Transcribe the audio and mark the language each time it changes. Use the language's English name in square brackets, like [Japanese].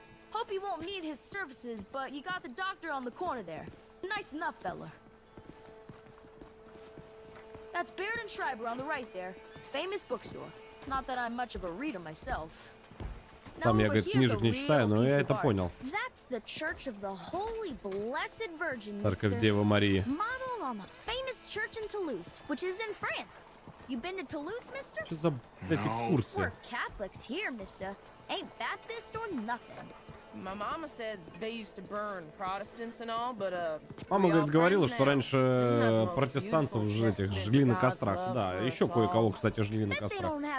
[English] Hope you won't need his services, but you got the doctor on the corner there. Nice enough, fella. That's Baird and Schreiber on the right there. Famous bookstore. Not that I'm much of a reader myself. [Russian] Там я, говорит, книжек не читаю, но я это понял. [English] That's the Church of the Holy Blessed Virgin, [Russian] Церковь Девы Марии. [English] Model on the famous church in Toulouse, which is in France. You been to Toulouse, mister? [Russian] Что за экскурсия? [English] We're Catholics here, mister. Ain't Baptist or nothing. My mama said they used to burn Protestants and all, but [Russian] мама, говорит, говорила, что раньше протестантов этих жгли на кострах. Да, еще кое-кого, кстати, жгли на кострах.